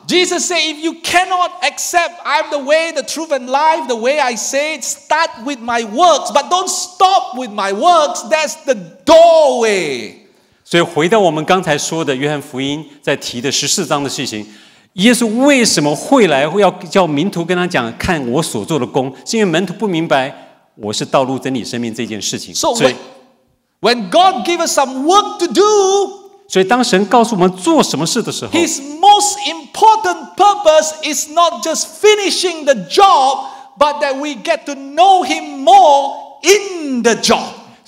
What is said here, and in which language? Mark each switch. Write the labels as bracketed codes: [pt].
[en] Jesus said, if you cannot accept I'm the way, the truth and life, the way I say it, start with my works, but don't stop with my works, that's the doorway. [zh] 所以回到我们刚才说的约翰福音在提的14章的事情， 耶稣为什么会来要叫门徒跟他讲看我所做的功，是因为门徒不明白 我是道路、真理、生命这件事情。 [en] So when God gives us some work to do, [zh] 所以当神告诉我们做什么事的时候， [en] His most important purpose is not just finishing the job, but that we get to know Him more in the job.